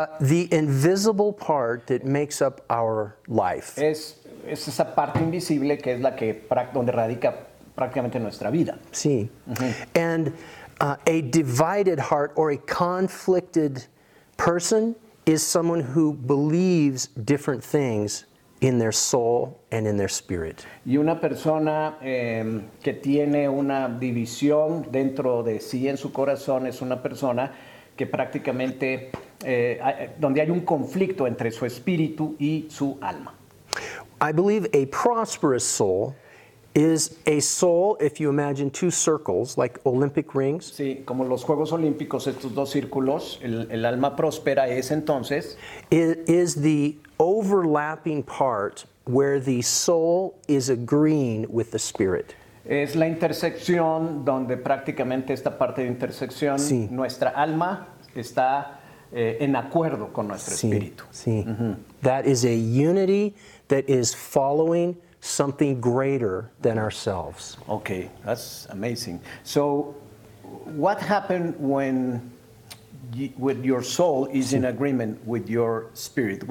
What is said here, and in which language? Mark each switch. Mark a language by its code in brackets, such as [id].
[en] The invisible part that makes up our life. [es] Es esa parte invisible que es la que, donde radica prácticamente nuestra vida. Sí. Mm-hmm. [en] And a divided heart or a conflicted person is someone who believes different things in their soul and in their spirit. [es] Y una persona que tiene una división dentro de sí en su corazón es una persona que prácticamente donde hay un conflicto entre su espíritu y su alma. [en] I believe a prosperous soul is a soul, if you imagine two circles, like Olympic rings. [es] Sí, como los Juegos Olímpicos, estos dos círculos, el alma próspera es entonces. [en] Is the overlapping part where the soul is agreeing with the spirit. [es] Es la intersección donde prácticamente esta parte de intersección, sí. Nuestra alma está en acuerdo con nuestro sí, espíritu. Sí. Mm-hmm. [en] That is a unity that is following something greater than ourselves. Okay, that's amazing. So what happened when with your soul is sí. In agreement with your spirit?